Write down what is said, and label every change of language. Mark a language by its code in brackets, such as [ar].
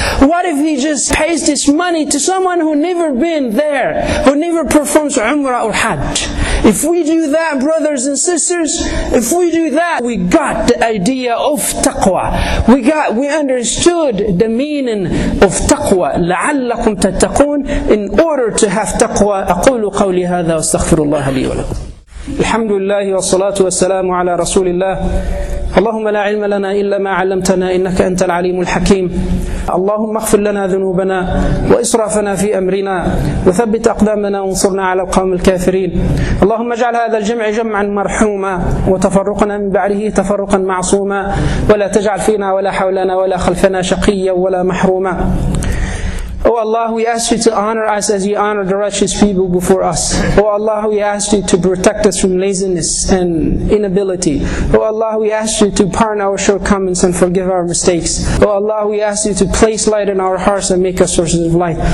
[en] What if he just pays this money to someone who never been there, who never performs Umrah or Hajj? If we do that, brothers and sisters, if we do that, we got the idea of taqwa. We understood the meaning of taqwa. [ar] لَعَلَّكُمْ تَتَّقُونَ. [en] In order to have taqwa, [ar] أَقُولُ قَوْلِ هَذَا وَاسْتَغْفِرُ اللَّهَ لِي وَلَكُمْ. الحمد لله والصلاة والسلام على رسول الله. اللهم لا علم لنا إلا ما علمتنا إنك أنت العليم الحكيم. اللهم اغفر لنا ذنوبنا وإسرافنا في أمرنا وثبت أقدامنا وانصرنا على القوم الكافرين. اللهم اجعل هذا الجمع جمعا مرحوما وتفرقنا من بعده تفرقا معصوما ولا تجعل فينا ولا حولنا ولا خلفنا شقيا ولا محروما. [en] Oh Allah, we ask you to honor us as you honor the righteous people before us. Oh Allah, we ask you to protect us from laziness and inability. Oh Allah, we ask you to pardon our shortcomings and forgive our mistakes. Oh Allah, we ask you to place light in our hearts and make us sources of light.